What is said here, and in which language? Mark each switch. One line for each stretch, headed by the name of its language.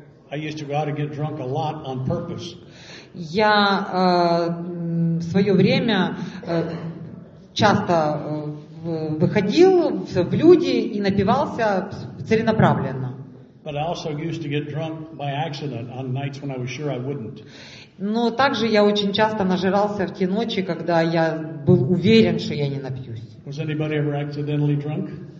English: I used to go out and get drunk a lot on purpose.
Russian: Я в свое время часто выходил в люди и напивался целенаправленно.
English: But I also used to get drunk by accident on nights when I was sure I wouldn't.
Russian: Но также я очень часто нажирался в те ночи, когда я был уверен, что я не напьюсь.
English: Was anybody ever accidentally drunk?